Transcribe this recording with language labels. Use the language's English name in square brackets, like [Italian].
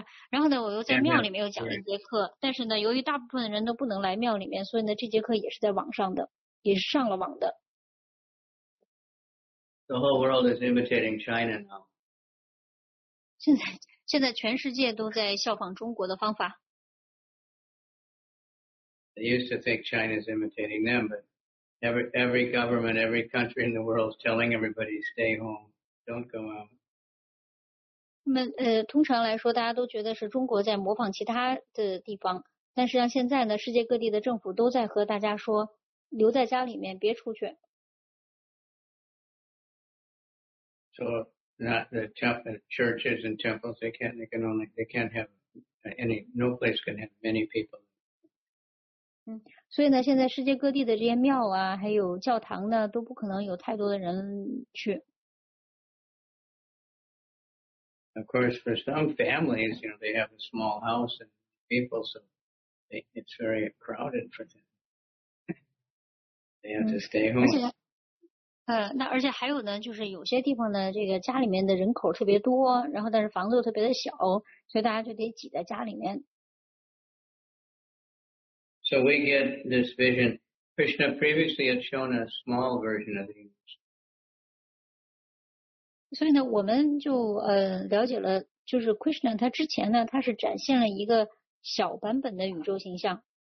[Chinese] 然后呢，我又在庙里面又讲了一节课。但是呢，由于大部分人都不能来庙里面，所以呢，这节课也是在网上的，也是上了网的。 [English] The whole world is imitating China now. [Chinese] 现在全世界都在效仿中国的方法。 [English] They used to think China is imitating them, but every government, every country in the world is telling everybody stay home, don't go out. [Chinese] 通常来说，大家都觉得是中国在模仿其他的地方，但实际上现在呢，世界各地的政府都在和大家说，留在家里面，别出去。 [English] So not the churches and temples, no place can have many people. [Chinese] 所以呢，现在世界各地的这些庙啊，还有教堂呢，都不可能有太多的人去。 [English] Of course, for some families, you know, they have a small house and people, so it's very crowded for them. They have to stay home. [Chinese] 那而且还有呢，就是有些地方呢，这个家里面的人口特别多，然后但是房子又特别的小，所以大家就得挤在家里面。 [English] So we get this vision. Krishna previously had shown a small version of the universe. [Chinese] 所以呢，我们就了解了，就是 Krishna 他之前呢，他是展现了一个小版本的宇宙形象。